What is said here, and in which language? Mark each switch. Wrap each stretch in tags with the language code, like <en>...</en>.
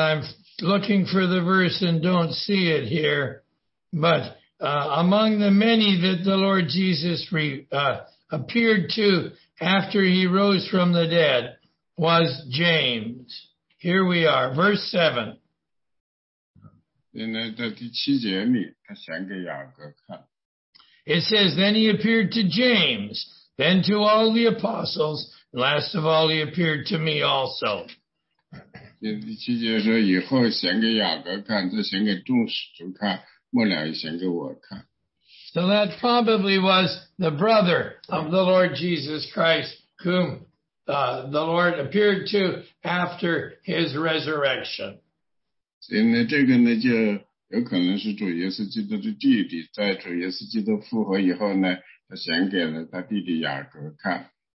<en>I'm looking for the verse and don't see it here. But among the many that the Lord Jesus appeared to after he rose from the dead was James. Here we are, verse 7.</en> <zh>现在在第7节里，他显给雅各看。</zh> <en>It says, then he appeared to James, then to all the apostles, and last of all, he appeared to me also.</en> <zh>第七节说, 以后显给雅各看, 这显给众使徒看, 末了显给我看。</zh> <en>So that probably was the brother of the Lord Jesus Christ, whom the Lord appeared to after his resurrection.</en> <zh>所以呢,这个呢, 就有可能是主耶稣基督的弟弟, 在主耶稣基督复活以后呢, 他显给了他弟弟雅各看。</zh>